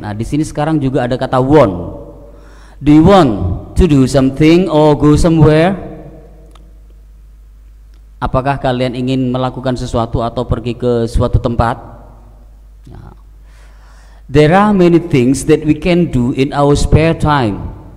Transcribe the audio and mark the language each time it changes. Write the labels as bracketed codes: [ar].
[id] Nah, di sini sekarang juga ada kata want. [en] Do you want to do something or go somewhere? [id] Apakah kalian ingin melakukan sesuatu atau pergi ke suatu tempat? Ya. [en] There are many things that we can do in our spare time.